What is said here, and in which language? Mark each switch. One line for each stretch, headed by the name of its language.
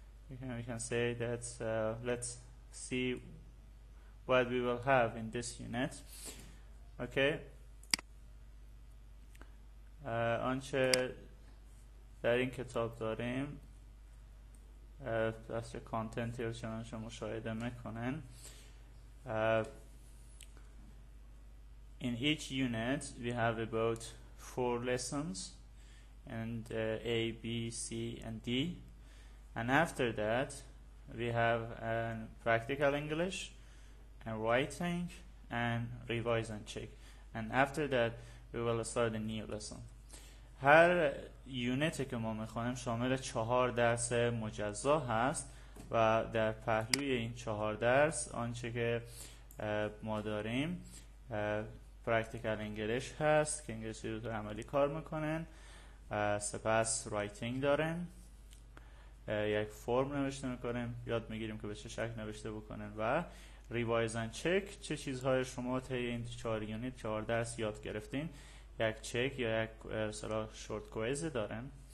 English: We can say that let's see what we will have in this unit. Okay.
Persian: آنچه در این کتاب داریم از چه کانتنتی رو چنانچه مشاهده میکنن.
English: In each unit we have about 4 lessons and A, B, C and D, and after that we have practical English and writing and revise and check, and after that we will start a new lesson.
Persian: هر یونیتی که ما میخوانیم شامل 4 درس مجزا هست و در پهلوی این 4 درس آنچه که ما داریم پرکتیکال انگلیش هست که انگلیسی رو عملی کار میکنن، سپس رایتینگ دارن، یک فرم نوشته میکنن، یاد میگیریم که به چه شکل نوشته بکنن، و ریوایز اند چک چه چیزهای شما طی این 4 یونیت 4 درس یاد گرفتین، یک چک یا یک مثلا شورت کویز دارن.